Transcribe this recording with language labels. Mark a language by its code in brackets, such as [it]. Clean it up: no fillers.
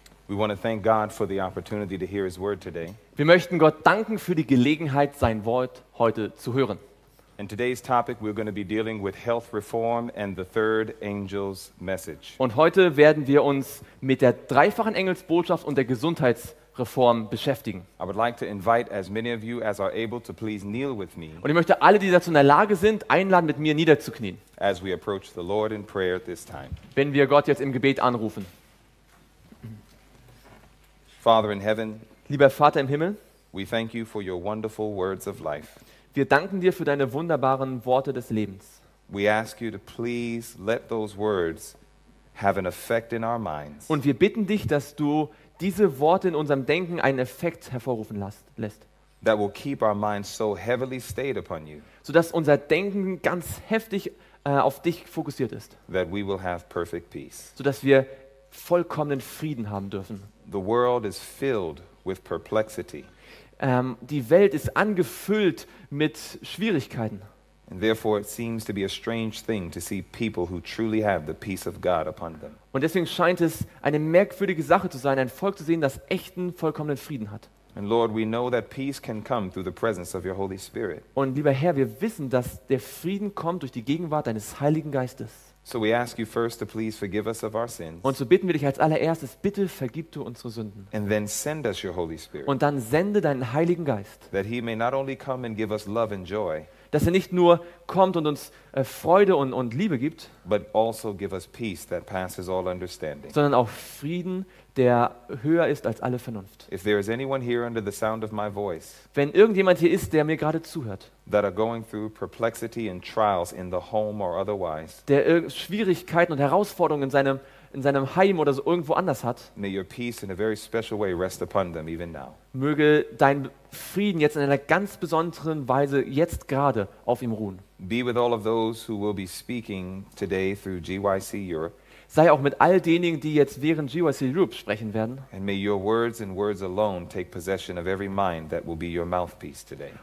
[en] We want to thank God for the opportunity to hear his word today. [de] Wir möchten Gott danken für die Gelegenheit, sein Wort heute zu hören. [en] In today's topic we're going to be dealing with health reform and the third angel's message. [de] Und heute werden wir uns mit der dreifachen Engelsbotschaft und der Gesundheitsreform beschäftigen. [en] I would like to invite as many of you as are able to please kneel with me. [de] Und ich möchte alle, die dazu in der Lage sind, einladen, mit mir niederzuknien. [en] As we approach the Lord in prayer at this time. [de] Wenn wir Gott jetzt im Gebet anrufen. [en] Father in heaven, [de] lieber Vater im Himmel, [en] we thank you for your wonderful words of life. [de] Wir danken dir für deine wunderbaren Worte des Lebens. [en] We ask you to please let those words have an effect in our minds. [de] Und wir bitten dich, dass du diese Worte in unserem Denken einen Effekt hervorrufen lässt. [en] That will keep our minds so heavily stayed upon you. [de] Sodass unser Denken ganz heftig auf dich fokussiert ist. [en] That we will have perfect peace. [de] Sodass wir vollkommenen Frieden haben dürfen. [en] The world is filled with perplexity. [de] Die Welt ist angefüllt mit Schwierigkeiten. [en] And therefore it seems to be a strange thing to see people who truly have the peace of God upon them. [de] Und deswegen scheint es eine merkwürdige Sache zu sein, ein Volk zu sehen, das echten vollkommenen Frieden hat. [en] And Lord, we know that peace can come through the presence of your Holy Spirit. [de] Und lieber Herr, wir wissen, dass der Frieden kommt durch die Gegenwart deines Heiligen Geistes. [en] So we ask you first to please forgive us of our sins. [de] Und so bitten wir dich als allererstes, bitte vergib du unsere Sünden. [en] And then send us your Holy Spirit. [de] Und dann sende deinen Heiligen Geist. [en] That he may not only come and give us love and joy. [de] Dass er nicht nur kommt und uns Freude und Liebe gibt, [en] but also give us peace that passes all understanding. [de] Sondern auch Frieden, der höher ist als alle Vernunft. [en] If there is anyone here under the sound of my voice. [de] Wenn irgendjemand hier ist, der mir gerade zuhört. [en] That are going through perplexity and trials in the home or otherwise. [de] Der Schwierigkeiten und Herausforderungen in seinem Heim oder so irgendwo anders hat. [en] May your peace in a very special way rest upon them even now. [de] Möge dein Frieden jetzt in einer ganz besonderen Weise jetzt gerade auf ihm ruhen. [en] Be with all of those who will be speaking today through GYC Europe. [de] Sei auch mit all denjenigen, die jetzt während GYC Europe sprechen werden. [en] And may your words and words alone take possession of every mind that will be your mouthpiece today.